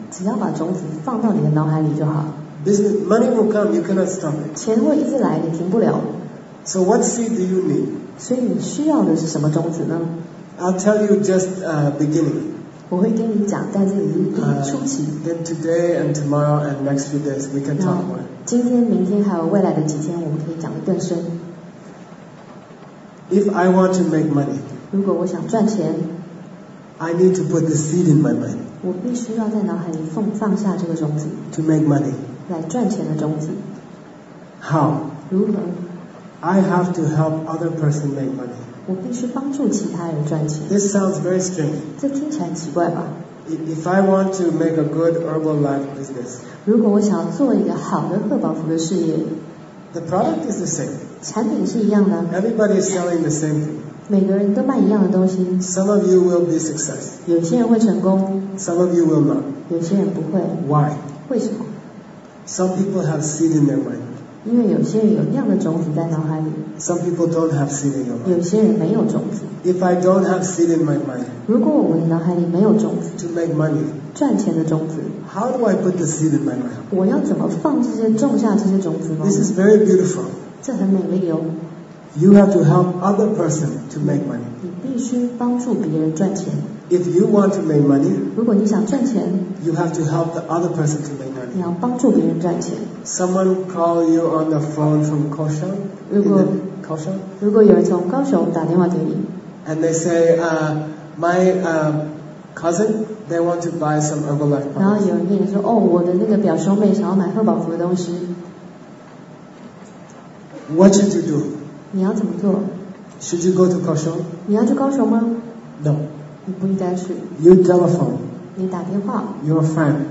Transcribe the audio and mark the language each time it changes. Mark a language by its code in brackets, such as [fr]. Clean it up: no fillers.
[zh] 只要把种子放到你的脑海里就好。 [en] Business money will come. You cannot stop it. [zh] 钱会一直来，你停不了。 [en] So what seed do you need? [zh] 所以你需要的是什么种子呢？ [en] I'll tell you just beginning. [zh] 我会跟你讲，但是你一定初期。 [en] Then today and tomorrow and next few days we can talk more. [zh] 今天、明天还有未来的几天，我们可以讲得更深。 [en] If I want to make money, [zh] 如果我想赚钱 [en] ，I need to put the seed in my mind. [zh] 我必须要在脑海里放下这个种子。 [en] To make money, [zh] 来赚钱的种子。 [en] How? [zh] 如何 [en] ？I have to help other person make money. [zh] 我必须帮助其他人赚钱。 [en] This sounds very strange. [zh] 这听起来奇怪吧？ [en] If I want to make a good Herbalife business, [zh] 如果我想要做一个好的赫宝福的事业， [en] the product is the same. [zh] 产品是一样的。 [en] Everybody is selling the same thing. [zh] 每个人都卖一样的东西。 [en] Some of you will be success. [zh] 有些人会成功。 [en] Some of you will not. [zh] 有些人不会。 [en] Why? [zh] 为什么？ [en] Some people have seed in their mind. [zh] 因为有些人有那样的种子在脑海里。 [en] Some people don't have seed in your mind. [zh] 有些人没有种子。 [en] If I don't have seed in my mind, [zh] 如果我的脑海里没有种子， [en] to make money, [zh] 赚钱的种子， [en] how do I put the seed in my mind? [zh] 我要怎么放这些种下这些种子吗？ [en] This is very beautiful. [zh] 这很美丽哦。 [en] You have to help other person to make money. [zh] 你必须帮助别人赚钱。 [en] If you want to make money, [zh] 如果你想赚钱， [en] you have to help the other person to make money. [zh] 你要帮助别人赚钱。 [en] Someone call you on the phone from Kaohsiung. [zh] 如果有人从高雄打电话给你。 [en] And they say, my cousin, they want to buy some Herbalife products. [zh] 然后有人跟你说，哦，我的那个表兄妹想要买赫宝福的东西。 [en] What should you do? [zh] 你要怎么做？ [en] Should you go to Kaohsiung? [zh] 你要去高雄吗？ [en] No. [zh] 你不应该去。 [en] You telephone. [zh] 你打电话。 [en] Your friend.